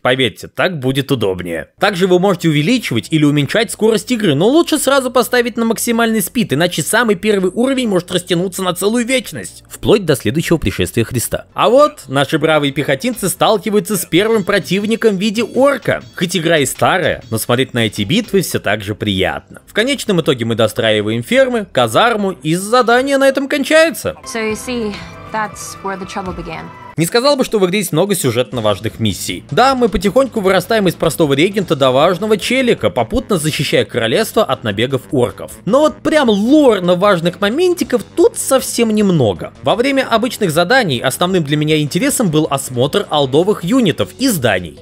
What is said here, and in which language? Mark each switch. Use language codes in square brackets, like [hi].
[ru] Поверьте, так будет удобнее. Также вы можете увеличивать или уменьшать скорость игры, но лучше сразу поставить на максимальный спид, иначе самый первый уровень может растянуться на целую вечность. В вплоть до следующего пришествия Христа. А вот наши бравые пехотинцы сталкиваются с первым противником в виде орка. Хоть игра и старая, но смотреть на эти битвы все так же приятно. В конечном итоге мы достраиваем фермы, казарму, и задание на этом кончается. [en] So you see, that's where the trouble began. [ru] Не сказал бы, что в игре есть много сюжетно важных миссий. Да, мы потихоньку вырастаем из простого регента до важного челика, попутно защищая королевство от набегов орков. Но вот прям лорно важных моментиков тут совсем немного. Во время обычных заданий основным для меня интересом был осмотр алдовых юнитов и зданий.